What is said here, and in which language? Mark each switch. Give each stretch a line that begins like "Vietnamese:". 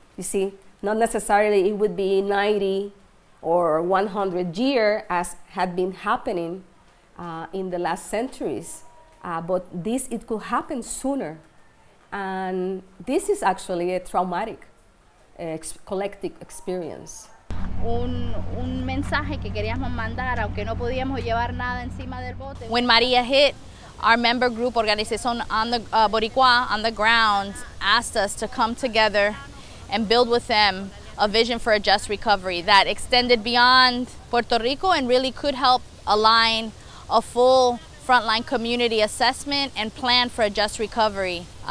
English: You see, not necessarily it would be 90 or 100 year as had been happening in the last centuries. But this, it could happen sooner. And this is actually a traumatic collective experience.
Spanish: Un mensaje que queríamos mandar, aunque no podíamos llevar nada encima del bote.
English: When Maria hit, our member group, Organización Boricuá, on the ground, asked us to come together and build with them a vision for a just recovery that extended beyond Puerto Rico and really could help align a full frontline community assessment and plan for a just recovery.